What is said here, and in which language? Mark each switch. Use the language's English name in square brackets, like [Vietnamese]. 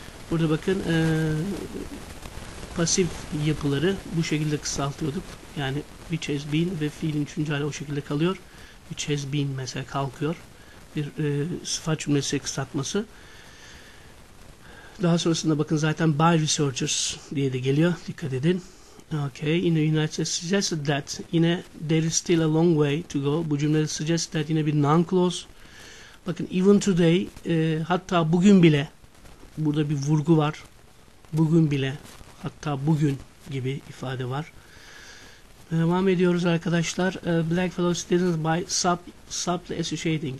[Turkish] Burada bakın pasif yapıları bu şekilde kısaltıyorduk. Yani [English] which has been [Turkish] ve fiilin üçüncü hali o şekilde kalıyor. [English] Which has been [Turkish] mesela kalkıyor. Bir sıfat cümlesi kısaltması. Daha sonrasında bakın zaten [English] by researchers [Turkish] diye de geliyor. Dikkat edin. [English] Okay, in the United States suggested that yine there is still a long way to go. [Turkish] Bu cümlede [English] suggested that [Turkish] yine bir [English] noun clause. [Turkish] Bakın [English] even today [Turkish] hatta bugün bile burada bir vurgu var. Bugün bile hatta bugün gibi ifade var. Devam ediyoruz arkadaşlar. [English] Black fellow students by subtly associating.